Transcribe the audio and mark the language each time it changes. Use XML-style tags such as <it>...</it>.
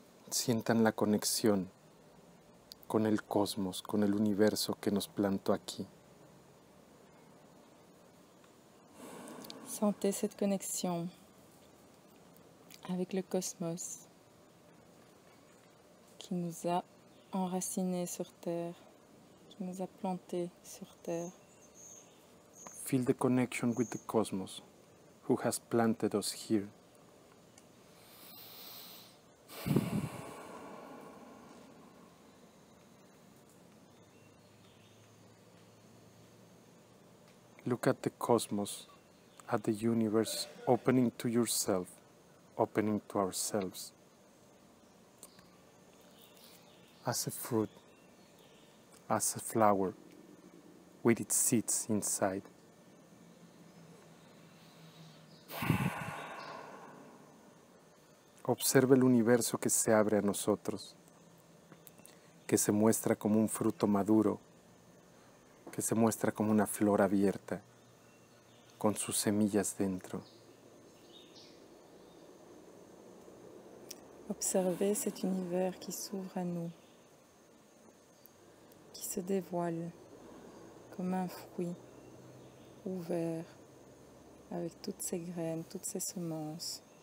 <es>Sientan la conexión con el cosmos, con el universo que nos plantó aquí.</es> <fr>Sentez cette connexion avec le cosmos qui nous a enracinés sur terre, qui nous a plantés sur terre.</fr> <en>Feel the connection with the cosmos who has planted us here. Look at the cosmos, at the universe, opening to yourself, opening to ourselves. As a fruit, as a flower, with its seeds inside.</en> <es>Observa el universo que se abre a nosotros, que se muestra como un fruto maduro, que se muestra como una flor abierta, con sus semillas dentro.</es> <fr>Observez cet univers qui s'ouvre à nous, qui se dévoile comme un fruit ouvert avec toutes ses graines, toutes ses semences.</fr>